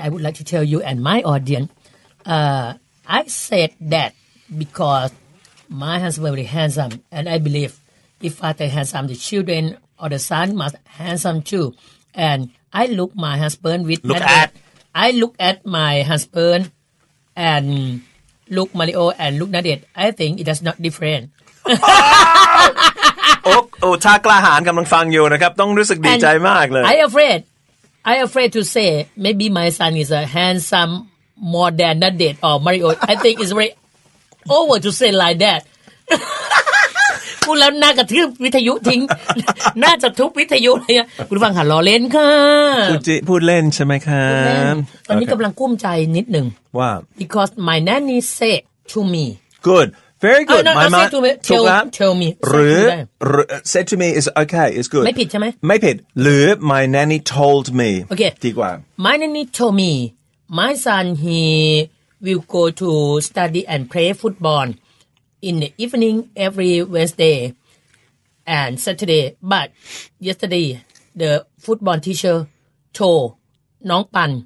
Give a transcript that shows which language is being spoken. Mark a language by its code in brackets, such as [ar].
[en] I would like to tell you and my audience. I said that because my husband is very handsome. And I believe if father is handsome, the children or the son must be handsome too. And I look my husband with look Nadeth. At. I look at my husband and look Mario and look Nadeth. I think it does not different. [th] Oh, ถ้ากล้าหาญกำลังฟังอยู่นะครับต้องรู้สึกดีใจมากเลย [en] I'm afraid to say maybe my son is a handsome more than Nadeth or Mario. I think it's very over to say like that. [th] พูดแล้วน่ากระทืบวิทยุทิ้งน่าจะทุบวิทยุเลยคุณฟังหันล้อเล่นค่ะ พูดเล่นใช่ไหมครับ ตอนนี้กำลังกุ้มใจนิดหนึ่ง ว่า [en] because my nanny said to me good very good my mom tell me หรือ said to me is okay is good [th] ไม่ผิดใช่ ไห ม ไม่ผิดหรือ [en] my nanny told me [th] โอเค ดีกว่า [en] my nanny told me my son he will go to study and play footballIn the evening every Wednesday and Saturday, but yesterday the football teacher told Nong Pan.